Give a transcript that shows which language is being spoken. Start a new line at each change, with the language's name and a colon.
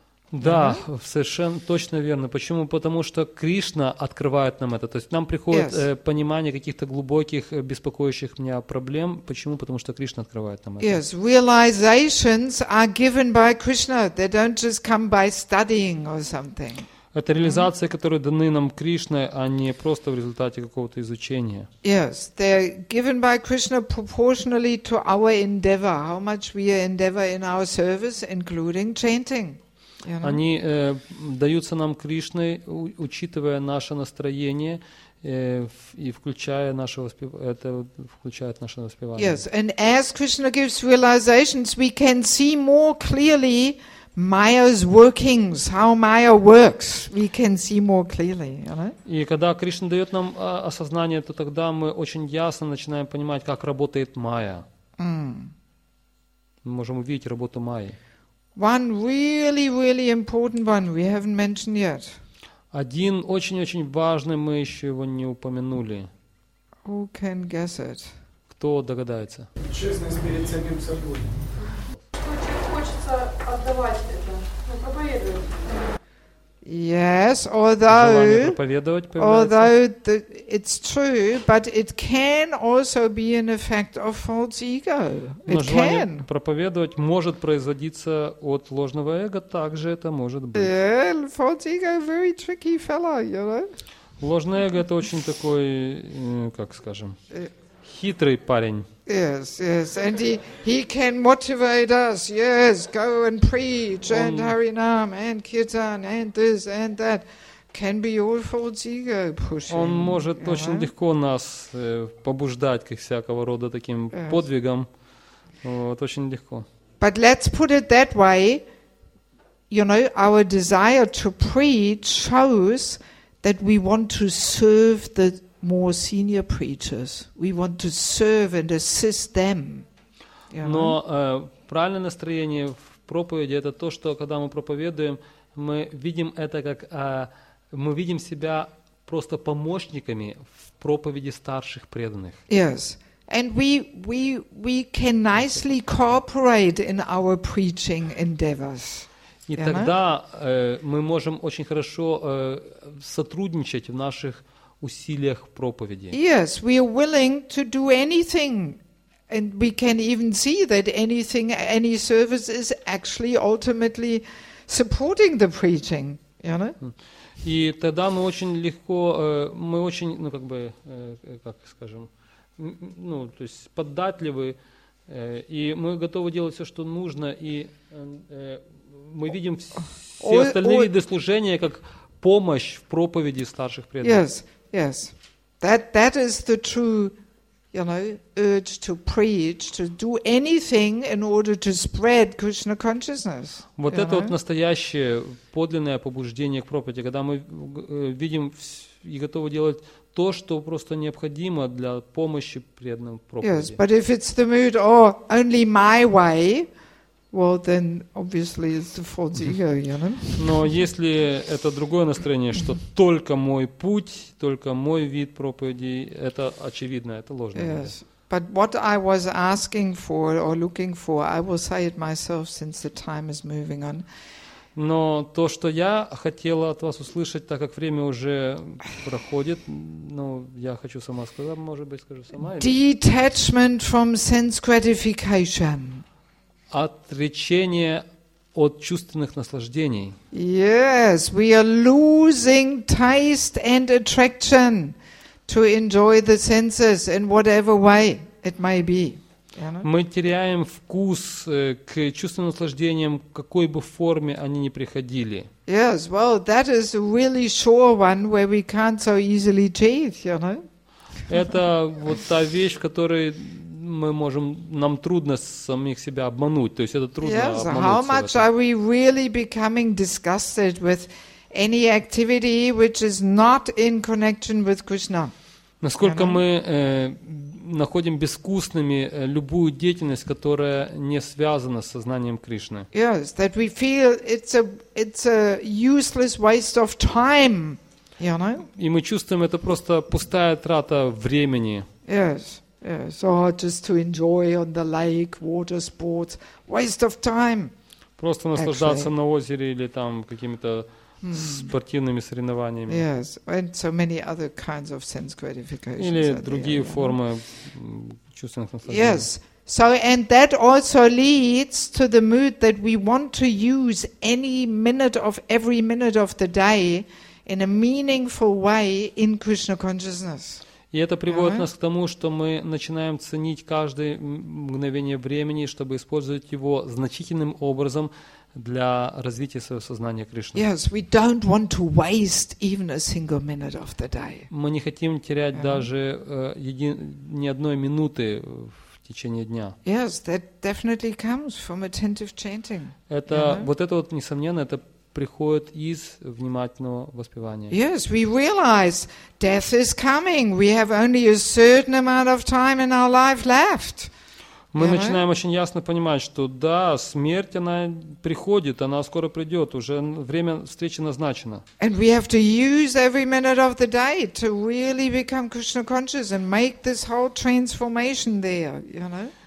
Russian: Да, совершенно точно верно. Почему? Потому что Кришна открывает нам это. То есть нам приходит понимание каких-то глубоких, беспокоящих меня проблем. Почему? Потому что Кришна открывает нам это.
English: Yes, realizations are given by Krishna. They don't just come by studying or something.
Russian: Это реализации, которые даны нам Кришной, а не просто в результате какого-то изучения.
English: Yes, they're given by Krishna proportionally to our endeavor, how much we endeavor in our service, including chanting.
Russian: Они даются нам Кришной, учитывая наше настроение и включая наше воспевание.
English: Yes, and as Krishna gives realizations, we can see more clearly Maya's workings, how Maya works, we can see more clearly.
Russian: И когда Кришна дает нам осознание, то тогда мы очень ясно начинаем понимать, как работает Майя. Мы можем увидеть работу Майи.
English: One really, really important one we haven't mentioned yet.
Russian: Один очень-очень важный, мы еще его не упомянули.
English: Who can guess it?
Russian: Кто догадается? Честность перед самим собой.
English: Yes, although it's true, but it can also be an effect of false ego. It can.
Russian: Проповедовать может производиться от ложного эго, также это может быть.
English: Yeah, false ego, very tricky fellow, you know.
Russian: Ложное эго это очень такой, как скажем, хитрый парень.
English: Yes, yes, and he can motivate us. Yes, go and preach and Harinam and Kirtan and this and that can be all false ego pushing.
Russian: Он может очень легко нас побуждать к всякого рода таким подвигам. Вот очень легко.
English: But let's put it that way. You know, our desire to preach shows that we want to serve the more senior preachers. We want to serve and assist them.
Russian: Но правильное настроение в проповеди это то, что когда мы проповедуем, мы видим это как мы видим себя просто помощниками в проповеди старших преданных.
English: Yes. And we can nicely cooperate in our preaching endeavors.
Russian: И тогда мы можем очень хорошо сотрудничать в наших усилиях проповеди.
English: Yes, we are willing to do anything, and we can even see that anything, any service is actually ultimately supporting the preaching. You know?
Russian: И тогда мы очень легко, мы очень, ну как бы, как скажем, ну то есть податливы, и мы готовы делать все, что нужно, и мы видим все остальные виды служения как помощь в проповеди старших преданных.
English: Yes. Yes, that is the true, you know, urge to preach, to do anything in order to spread Krishna consciousness.
Russian: Вот это вот настоящее подлинное побуждение к проповеди, когда мы видим и готовы делать то, что просто необходимо для помощи преданным проповеди.
English: Yes, but if it's the mood, oh, only my way, well, then obviously it's the false ego, you know.
Russian: Но если это другое настроение, что только мой путь, только мой вид проповеди, это очевидно, это ложное.
English: Yes, but what I was asking for or looking for, I will say it myself since the time is moving on.
Russian: Но то, что я хотела от вас услышать, так как время уже проходит, ну, я хочу сама сказать, может быть, скажу сама.
English: Detachment from sense gratification.
Russian: Отречение от чувственных наслаждений.
English: Yes, we are losing taste and attraction to enjoy the senses in whatever way it may be.
Russian: Мы теряем вкус к чувственным наслаждениям, какой бы форме они ни приходили.
English: Yes, well, that is a really sure one where we can't so easily cheat, you know.
Russian: Это вот та вещь, в которой мы можем, нам трудно самих себя обмануть. То есть это трудно
English: yes,
Russian: обмануться.
English: Yes, how much are we really becoming disgusted with any activity which is not in connection with Krishna?
Russian: Насколько мы находим безвкусными любую деятельность, которая не связана с сознанием Кришны.
English: Yes, that we feel it's a useless waste of time, you know?
Russian: И мы чувствуем, это просто пустая трата времени.
English: Yes, yes. So just to enjoy on the lake, water sports, waste of time.
Russian: Просто наслаждаться на озере или там какими-то спортивными соревнованиями.
English: Yes, and so many other kinds of sense gratifications.
Russian: Или другие формы чувственных наслаждений.
English: Yes, so and that also leads to the mood that we want to use any minute of every minute of the day in a meaningful way in Krishna consciousness.
Russian: И это приводит нас к тому, что мы начинаем ценить каждое мгновение времени, чтобы использовать его значительным образом для развития своего сознания Кришны.
English: Yes, we don't want to waste even a single minute of the day.
Russian: Мы не хотим терять даже ни одной минуты в течение дня.
English: Yes, that definitely comes from attentive chanting.
Russian: Это вот это вот несомненно это приходит из внимательного воспевания.
English: Yes, we realize death is coming. We have only a certain amount of time in our life left.
Russian: Мы начинаем очень ясно понимать, что да, смерть, она приходит, она скоро придет, уже время встречи назначено.
English: And we have to use every minute of the day to really become Krishna conscious and make this whole transformation there, you know?